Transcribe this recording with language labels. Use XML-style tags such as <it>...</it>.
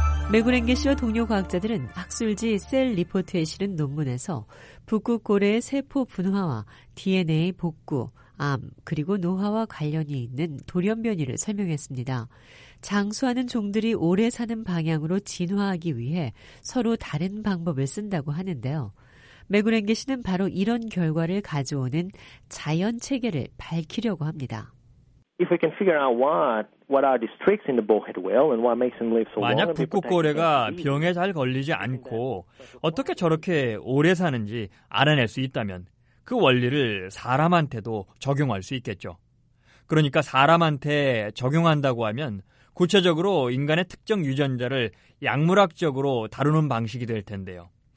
<ko>메구랭게 씨와 동료 과학자들은 학술지 셀 리포트에 실은 논문에서 북극 고래의 세포 분화와 DNA 복구, 암, 그리고 노화와 관련이 있는 돌연변이를 설명했습니다. 장수하는 종들이 오래 사는 방향으로 진화하기 위해 서로 다른 방법을 쓴다고 하는데요. 메구랭게 씨는 바로 이런 결과를 가져오는 자연 체계를 밝히려고 합니다.</ko> <en>If we can figure out what are the tricks in the bowhead whale and what makes them live so long.</en> <ko>만약 북극고래가 병에 잘 걸리지 않고 어떻게 저렇게 오래 사는지 알아낼 수 있다면 그 원리를 사람한테도 적용할 수 있겠죠. 그러니까 사람한테 적용한다고 하면 구체적으로 인간의 특정 유전자를 약물학적으로 다루는 방식이 될 텐데요.</ko>